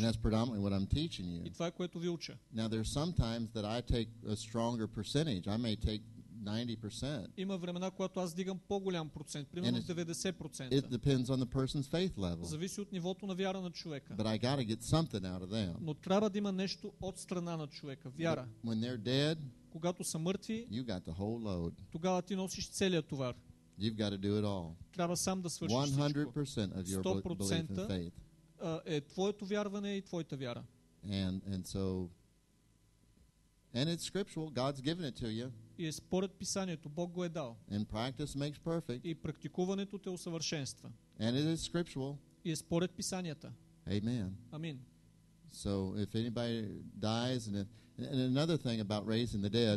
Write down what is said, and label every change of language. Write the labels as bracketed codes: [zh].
[en] And that's predominantly what I'm teaching you. [bg] И това е, което ви уча. [en] Now there's sometimes that I take a stronger percentage. I may take 90%. [bg] Има времена, когато аз дигам по-голям процент, примерно 90%. [en] It depends on the person's faith level. [bg] Зависи от нивото на вяра на човека. [en] But I gotta get something out of them. [bg] Но трябва да има нещо от страна на човека, вяра. [en] When they're dead, [bg] когато са мъртви, [en] you got the whole load. [bg] Тогава ти носиш целия товар. [en] You've got to do it all. 100% of your belief and faith. [bg] Е твоето вярване и твоята вяра. [en] And it's scriptural. God's given it to you. [bg] И е според писанието, Бог го е дал. [en] And practice makes perfect. [bg] И практикуването те усъвършенства. [en] And it is scriptural. [bg] И е според писанията. [en] Amen. [bg] Амин. [en] So if anybody dies and another thing about raising the dead,